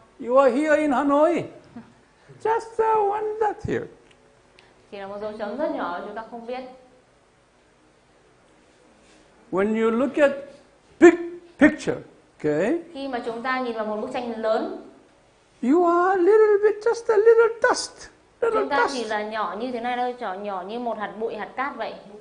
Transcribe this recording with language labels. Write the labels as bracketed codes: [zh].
[en] You are here in Hanoi. Just one dot here. [vi] Chỉ là một dấu chấm rất nhỏ chúng ta không biết. [en] When you look at big picture, okay? [vi] Khi mà chúng ta nhìn vào một bức tranh lớn, [en] you are a little bit, just a little dust. Little [vi] chúng ta [en] dust. [vi] Chỉ là nhỏ như thế này thôi, nhỏ như một hạt bụi, hạt cát vậy.